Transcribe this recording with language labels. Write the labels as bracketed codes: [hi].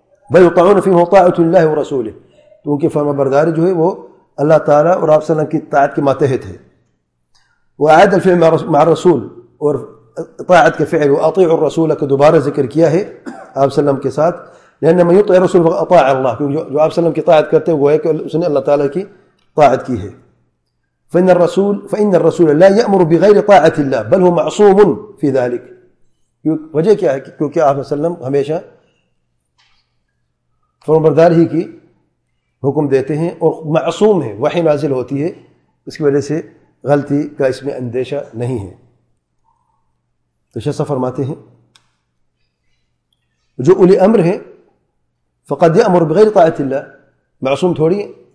[ar] بل یطاعون فیما طاعۃ اللہ ورسولہ, [ur] کیونکہ فرما برداری جو ہے وہ اللہ تعالیٰ اور آپ صلی اللہ علیہ وسلم کی طاعت کے ماتحت ہے. [ar] وعاد الفعل مع الرسول, [ur] اور طاعت کے فعل واطیع الرسول کا دوبارہ ذکر کیا ہے آپ صلی اللہ علیہ وسلم کے ساتھ. [ar] لأن من يطع رسول أطاع الله, [ur] جو آپ صلی اللہ علیہ وسلم کی طاعت کرتے وہ ایک اس نے اللہ تعالیٰ کی طاعت کی ہے. [ar] فإن الرسول لا يأمر بغير طاعة الله بل هو معصوم في ذلك. [ur] وجہ کیا ہے؟ کیونکہ آپ صلی اللہ علیہ وسلم ہمیشہ فرمانبردار ہی کی حکم دیتے ہیں اور معصوم ہیں, وحی نازل ہوتی ہے, اس کی وجہ سے غلطی کا اس میں اندیشہ نہیں ہے. تو شیخ صاحب فرماتے ہیں جو اولی امر ہیں [ar] فقد یأمر بغیر طاعۃ اللہ, [ur] معصوم تھوڑی ہیں.